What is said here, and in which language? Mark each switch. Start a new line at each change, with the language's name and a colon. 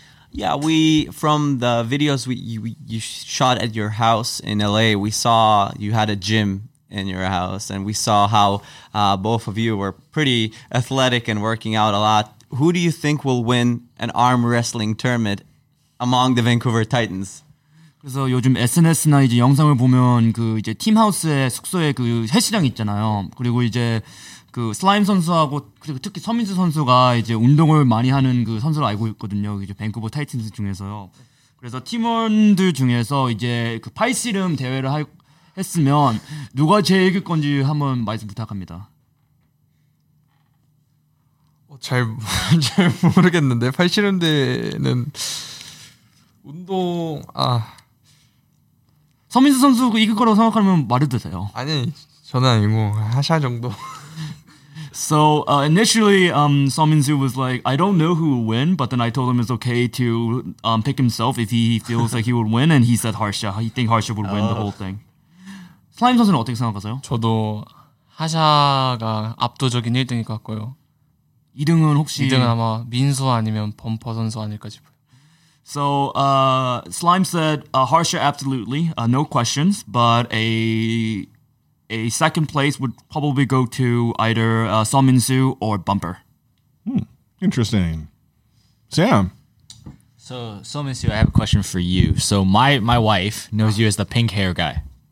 English: Yeah, from the videos you shot at your house in LA, we saw you had a gym in your house, and we saw how both of you were pretty athletic and working out a lot. who do you think will win an arm wrestling tournament among the Vancouver Titans?
Korean: 그래서 요즘 SNS나 이제 영상을 보면 그 이제 팀하우스의 숙소에 그 헬스장 있잖아요. 그리고 이제 그 슬라임 선수하고 그리고 특히 서민수 선수가 이제 운동을 많이 하는 그 선수로 알고 있거든요. 이제 밴쿠버 타이틴스 중에서요. 그래서 팀원들 중에서 이제 그 파이씨름 대회를 했으면 누가 제일 이길 건지 한번 말씀 부탁합니다. 잘 모르겠는데 팔씨름 대회는 운동 아 서민수 선수 이길 거라고 생각하면 말해드세요. 아니 저는 아니고 하샤 정도.
English: So initially, Seominsu was like, I don't know who will win, but then I told him it's okay to pick himself if he feels like he would win, and he said Harsha. He think Harsha would win the whole thing.
Korean: 슬라임 선수는 어떻게 생각하세요? 저도 하샤가 압도적인 1등일 것 같고요. 2등은 혹시? 2등은 아마 민수 아니면 범퍼 선수 아닐까 싶어요.
English: So, Slime said, Harsha, absolutely, no questions, but a second place would probably go to either Seominsu or Bumper. Interesting. Sam? So, Seominsu, I have a question for you. So, my wife knows you as the pink hair guy.